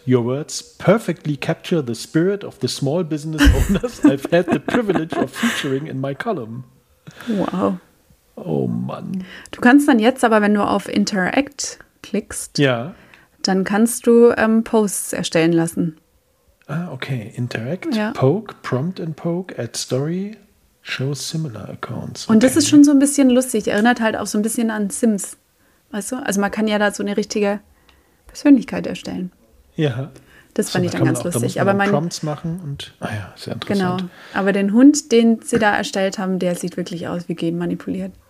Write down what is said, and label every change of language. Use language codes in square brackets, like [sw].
[en] Your words perfectly capture the spirit of the small business owners I've had the privilege of featuring in my column. Wow. [de] Oh Mann. Du kannst dann jetzt aber, wenn du auf Interact klickst, ja, dann kannst du Posts erstellen lassen. Ah, okay. Interact, ja. [en] Poke, prompt and poke, add story, show similar accounts. Okay. [de] Und das ist schon so ein bisschen lustig. Erinnert halt auch so ein bisschen an Sims. Weißt du? Also man kann ja da so eine richtige Persönlichkeit erstellen. Ja. Das fand ich dann ganz lustig. Aber man Prompts machen und, ja, sehr interessant. Genau. Aber den Hund, den sie da erstellt haben, der sieht wirklich aus wie genmanipuliert.